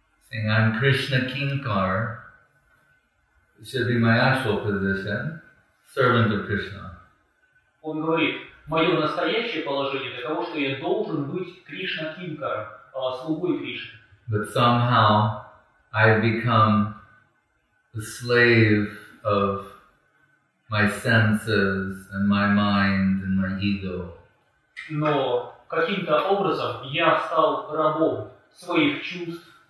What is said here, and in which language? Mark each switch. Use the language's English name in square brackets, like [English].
[English] Saying, I'm Krishna Kinkar, should be my actual position, servant of Krishna. [Russian] Он говорит, мое настоящее положение таково, что я должен быть Krishna Kinkar, слугой Кришны. [English] But somehow I've become the slave of my senses and my mind and my ego. [Russian] Но каким-то образом я стал рабом своих чувств.